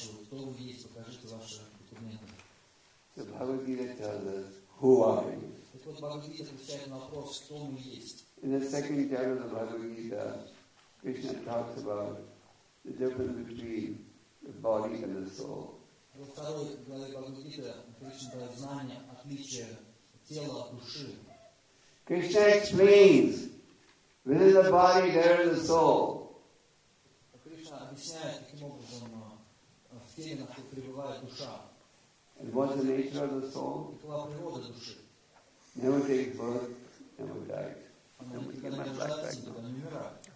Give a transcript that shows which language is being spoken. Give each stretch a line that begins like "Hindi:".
English: So Bhagavad Gita tells us, who are you? In the second chapter of the Bhagavad Gita, Krishna talks about the difference between the body and the soul.
Russian: Во второй главе Бхагавад-гита Кришна дает знание отличия тела от души.
English: Кришна explains, within the body there is a soul.
Russian: Кришна объясняет, каким образом в теле пребывает душа.
English: And what's the nature of the soul?
Russian: Какова природа души?
English: Never takes birth, never dies.
Russian: Она никогда не рождается, никогда не умирает.